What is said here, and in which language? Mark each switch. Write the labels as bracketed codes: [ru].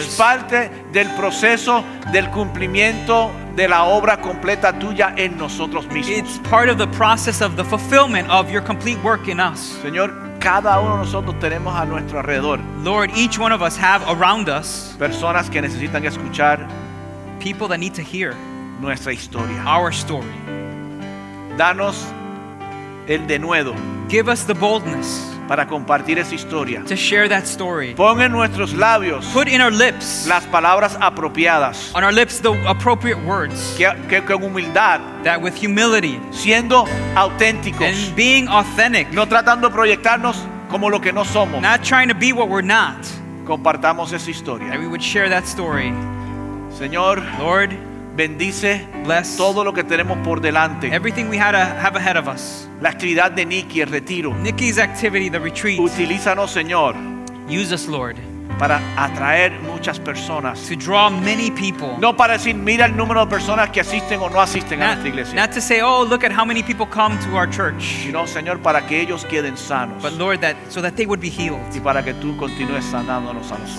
[es] es parte del proceso del cumplimiento de la obra completa tuya en nosotros mismos. [en] It's part of the process of the fulfillment of your complete work in us. [es] Señor, cada uno de nosotros tenemos a nuestro alrededor, [en] Lord, each one of us have around us, [es] personas que necesitan escuchar, [en] people that need to hear, [es] nuestra historia, [en] our story. [es] Danos el denuedo. [en] Give us the boldness [es] para compartir esa historia. [en] To share that story. [es] Pon en nuestros labios. [en] Put in our lips. [es] Las palabras apropiadas. [en] On our lips the appropriate words. [es] Que con humildad. [en] That with humility. [es] Siendo auténticos. [en] And being authentic. [es] No tratando de proyectarnos como lo que no somos. [en] Not trying to be what we're not. [es] Compartamos esa historia. [en] That we would share that story. [es] Señor. [en] Lord. [es] Bendice todo lo que tenemos por delante. [en] Everything we had to have ahead of us. [es] La actividad de Nikki, el retiro. [en] Nikki's activity, the retreat. [es] Utilízanos, Señor. [en] Use us, Lord. [es] Para atraer muchas personas. [en] To draw many people. [es] No para decir, mira el número de personas que asisten o no asisten a nuestra iglesia. [en] Not to say, oh, look at how many people come to our church. [es] Sino, Señor, para que ellos queden sanos. [en] But Lord, that so that they would be healed. [es] Y para que tú continúes sanándonos a nosotros.